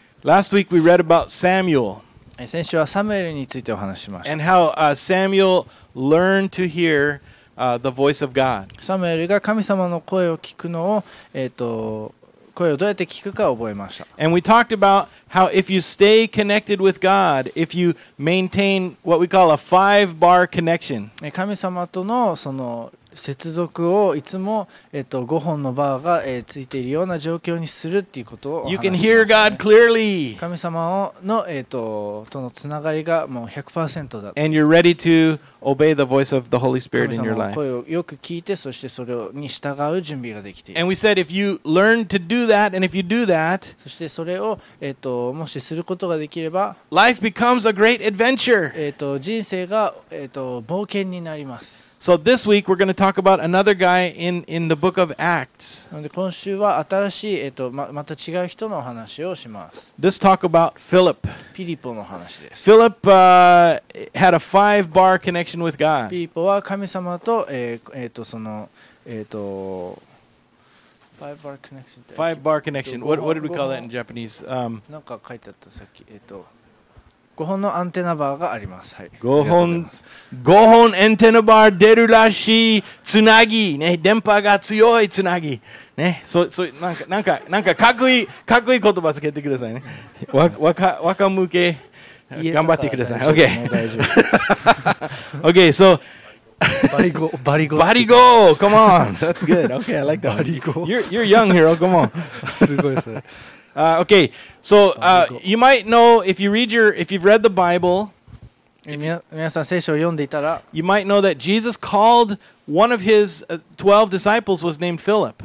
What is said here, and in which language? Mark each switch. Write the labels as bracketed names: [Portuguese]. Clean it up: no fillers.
[English] Last week we read about Samuel. [Japanese] 先週はサムエルについてお話ししました。 [English] And how Samuel learned to hear the voice of God. [Japanese] サムエルが神様の声を聞くのを、声をどうやって聞くかを覚えました。 [English] And we talked about how if you stay connected with God, if you maintain what we call a five-bar connection. [Japanese] 神様とのその接続をいつも、5本のバーが、ついているような状況にするっていうことを話しました、ね、神様の、とのつながりがもう 100% だ。 [English] And you're ready to obey the voice of the Holy Spirit in your life. [Japanese] 神様の声をよく聞いて、そしてそれに従う準備ができている。 [English] And we said if you learn to do that, and if you do that, [Japanese] そしてそれを、もしすることができれば、 [English] life becomes a great adventure. [Japanese] 人生が、冒険になります。 [English] So this week we're going to talk about another guy in the book of Acts. [Japanese] 今週は新しい、また違う人のお話をします。 [English] Let's talk about Philip. [Japanese] ピリポの話です。 [English] Philip had a five-bar connection with God. [Japanese] ピリポは神様と、その、 [English] five-bar connection. Five-bar connection. What did we call that in Japanese? [Japanese] なんか書いてあったさっき、5本のアンテナバーがあります。はい、 5本アンテナバー出るらしいつなぎ、ね、電波が強いつなぎ、ね、そなんかかっこいい言葉つけてくださいね。若向け頑張ってください。 [English] OK。 OK、so [Japanese] バリゴ。 [English] バリゴー、come on。 That's good。 OK、I like that。 [Japanese] バリゴ。 [English] You're young hero、come on。 [Japanese] すごいですね。 [English] Okay, so you might know if you've read the Bible, you might know that Jesus called one of his 12 disciples was named Philip.